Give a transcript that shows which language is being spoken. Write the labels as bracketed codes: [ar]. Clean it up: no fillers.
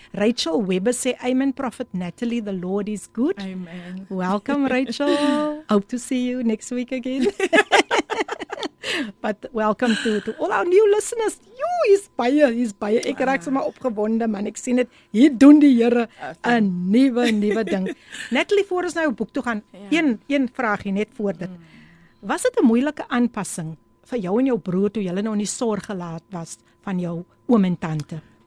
[en] Rachel Weber sê, Amen, Prophet Natalie, the Lord is good. Amen. Welcome, Rachel. Hope to see you next week again. But welcome to all our new listeners. [af] Jo, hier is baie. Ek raak sommer opgewonde, man. Ek sien dit. Hier doen die Here 'n nuwe ding. Natalie, voor ons nou boek toe gaan. Ja. Een vraagie net voor dit. Was dit 'n moeilike aanpassing vir jou en jou broer toe julle nou in die sorg gelaat was van jou oom en tante?